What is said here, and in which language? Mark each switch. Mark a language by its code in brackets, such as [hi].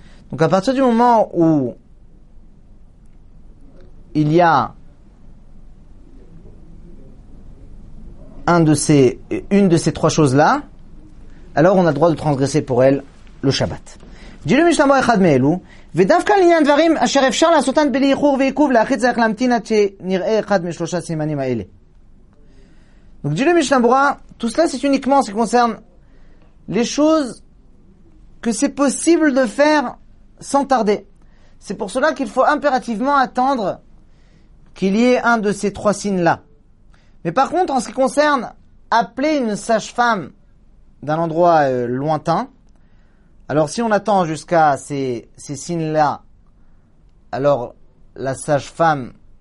[fr] Donc à partir du moment où il y a une de ces trois choses-là, alors on a le droit de transgresser pour elle le Shabbat. Dis-le Mishnah Berurah Echad Me'elu. [he] ודווקא לעניין דברים אשר אפשר לעשותן בלי איחור ועיכוב להכי צריך להמתין עד שנראה אחד משלושה סימנים האלה. [fr] Donc Dieu le Mishnah Berurah, tout cela c'est uniquement ce qui concerne les choses que c'est possible de faire sans tarder. C'est pour cela qu'il faut impérativement attendre qu'il y ait un de ces trois signes-là. Mais par contre, en ce qui concerne appeler une sage-femme d'un endroit lointain, alors si on attend jusqu'à ces signes-là, alors la sage-femme